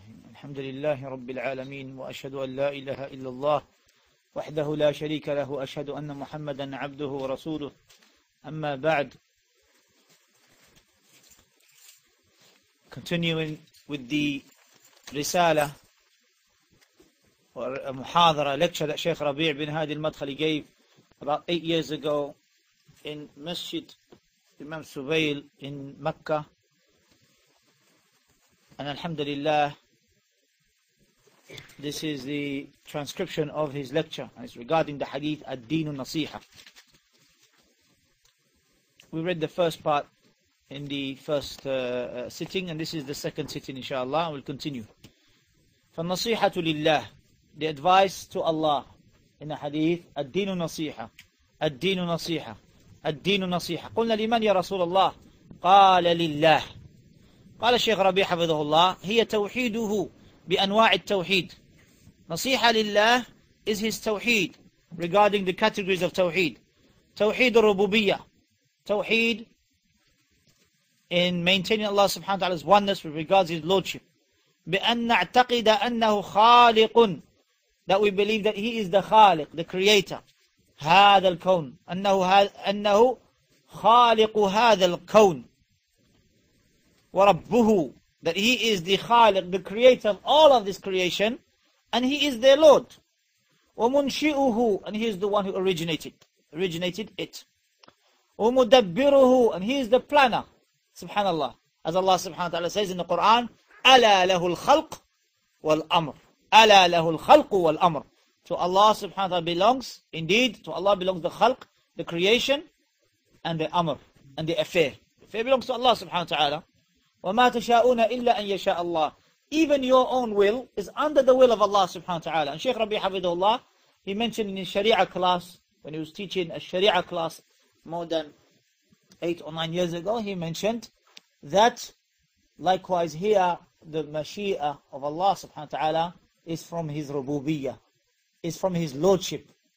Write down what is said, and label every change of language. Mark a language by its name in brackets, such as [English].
[Arabic] الحمد لله رب العالمين، وأشهد أن لا إله إلا الله وحده لا شريك له، وأشهد أن محمدا عبده ورسوله. أما بعد، [English] continuing with the رسالة or محاضرة lecture that Sheikh Rabi' bin Hadi al-Madkhali gave about 8 years ago in Masjid Imam Subayl in Mecca. And alhamdulillah, this is the transcription of his lecture, and it's regarding the hadith Ad-Din al-Nasiha. We read the first part in the first sitting, and this is the second sitting, inshallah, and we'll continue. [Arabic] فَالنَّصِيحَةُ لِلَّهِ, [English] the advice to Allah in the hadith Ad-Din al-Nasiha, Ad-Din al-Nasiha, Ad-Din al-Nasiha. [Arabic] قُلْنَا لِمَنْ يَا رَسُولَ اللَّهِ قَالَ لِلَّهِ. قال الشيخ ربيع حفظه الله: هي توحيده بأنواع التوحيد. نصيحة لله [English] is his توحيد regarding the categories of توحيد. توحيد الربوبية, توحيد in maintaining Allah سبحانه وتعالى's oneness with regards his lordship. [Arabic] بأن نعتقد أنه خالق, [English] that we believe that he is the [Arabic] خالق, [English] the creator, [Arabic] هذا الكون, أنه خالق هذا الكون. وربه, [English] that he is the خالق, the creator of all of this creation, and he is their lord. [Arabic] ومنشئه, [English] and he is the one who originated it. [Arabic] ومدبره, [English] and he is the planner. [Arabic] سبحان الله, [English] as Allah [Arabic] سبحانه وتعالى [English] says in the Quran, [Arabic] ألا له الخلق والأمر, ألا له الخلق والأمر. [English] To Allah سبحانه وتعالى belongs, indeed, to Allah belongs the خلق, the creation, and the أمر, and the affair. Affair belongs to Allah سبحانه وتعالى. [Arabic] وما تشاءون إلا أن يشاء الله. [English] Even your own will is under the will of Allah سبحانه وتعالى. And Sheikh Rabi حفظه الله, he mentioned in his Sharia class, when he was teaching a Sharia class more than 8 or 9 years ago, he mentioned that likewise here the Mashi'ah of Allah سبحانه وتعالى is from his rububiyyah, is from his lordship.